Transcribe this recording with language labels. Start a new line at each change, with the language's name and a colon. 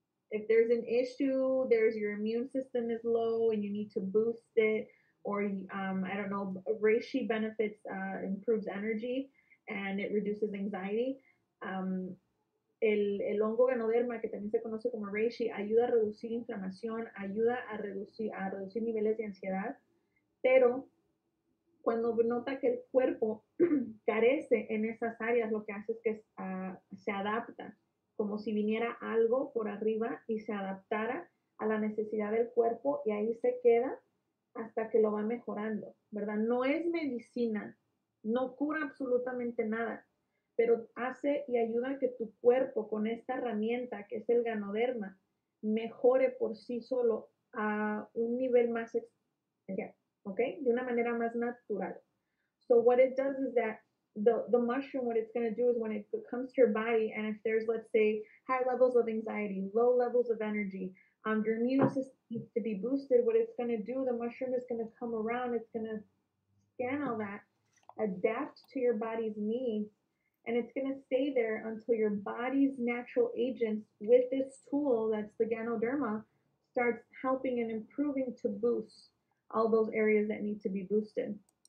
English: If there's an issue, there's your immune system is low and you need to boost it, or I don't know, reishi benefits, improves energy, and it reduces anxiety.
Spanish: El hongo Ganoderma, que también se conoce como reishi, ayuda a reducir inflamación, ayuda a reducir niveles de ansiedad, pero cuando nota que el cuerpo carece en esas áreas, lo que hace es que se adapta, como si viniera algo por arriba y se adaptara a la necesidad del cuerpo, y ahí se queda hasta que lo va mejorando, ¿verdad? No es medicina, no cura absolutamente nada, pero hace y ayuda a que tu cuerpo con esta herramienta que es el Ganoderma mejore por sí solo a un nivel más, okay, de una manera más natural.
English: So what it does is that the mushroom, what it's going to do is when it comes to your body, and if there's, let's say, high levels of anxiety, low levels of energy, your immune system needs to be boosted, what it's going to do, the mushroom is going to come around, it's going to scan all that, adapt to your body's needs, and it's going to stay there until your body's natural agents with this tool that's the Ganoderma starts helping and improving to boost all those areas that need to be boosted.